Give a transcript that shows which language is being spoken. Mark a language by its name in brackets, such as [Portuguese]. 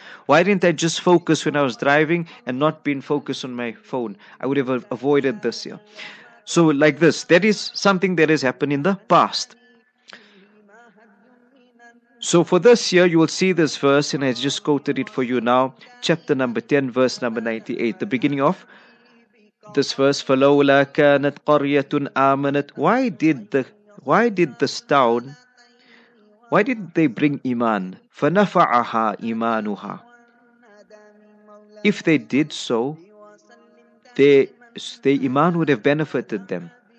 [English] Why didn't I just focus when I was driving and not been focused on my phone? I would have avoided this here. So like this, that is something that has happened in the past. So for this year, you will see this verse, and I just quoted it for you now. Chapter number 10, verse number 98, the beginning of... This verse, [Arabic] فَلَوْلَا كَانَتْ قَرْيَةٌ آمَنَتْ. [English] Why did this town, why did they bring iman? [Arabic] فَنَفَعَهَا إِمَانُهَا. [English] If they did so, their iman would have benefited them.